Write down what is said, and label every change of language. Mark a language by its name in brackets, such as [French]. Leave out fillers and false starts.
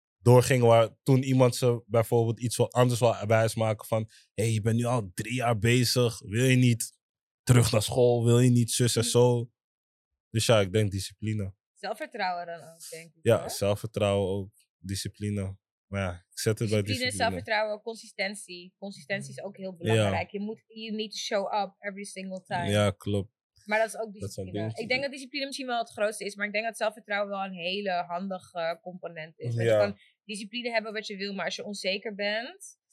[Dutch] Doorgingen waar toen iemand ze bijvoorbeeld iets anders wil wijsmaken van, hé, je bent nu al 3 jaar bezig, wil je niet terug naar school, wil je niet zus en zo? Dus ja, ik denk discipline. Zelfvertrouwen dan ook, denk ik. Ja, hè? Zelfvertrouwen ook. Discipline. Maar ja, ik zet het bij discipline. Zelfvertrouwen, consistentie. Consistentie is ook heel belangrijk. Ja. [English] You need to show up every single time. [Dutch] Ja, klopt. Maar dat is ook discipline. Ik denk dat discipline misschien wel het grootste is. Maar ik denk dat zelfvertrouwen wel een hele handige component is. Ja. Je kan discipline hebben wat je wil, maar als je onzeker bent...